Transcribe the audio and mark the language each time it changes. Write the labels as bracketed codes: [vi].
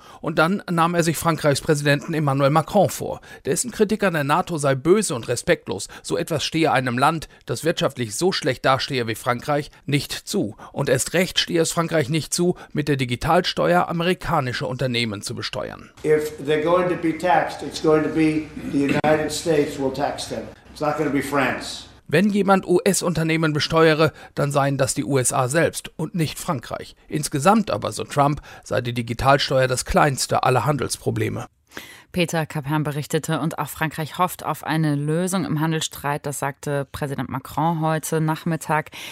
[de] Und dann nahm er sich Frankreichs Präsidenten Emmanuel Macron vor. Dessen Kritik an der NATO sei böse und respektlos. So etwas stehe einem Land, das wirtschaftlich so schlecht dastehe wie Frankreich, nicht zu. Und erst recht stehe es Frankreich nicht zu, mit der Digitalsteuer amerikanische Unternehmen zu besteuern. [en] If they're going to be taxed, it's going to be the United States will tax them. It's not going to be France. [de] Wenn jemand US-Unternehmen besteuere, dann seien das die USA selbst und nicht Frankreich. Insgesamt aber, so Trump, sei die Digitalsteuer das kleinste aller Handelsprobleme. Peter Capern berichtete. Und auch Frankreich hofft auf eine Lösung im Handelsstreit. Das sagte Präsident Macron heute Nachmittag.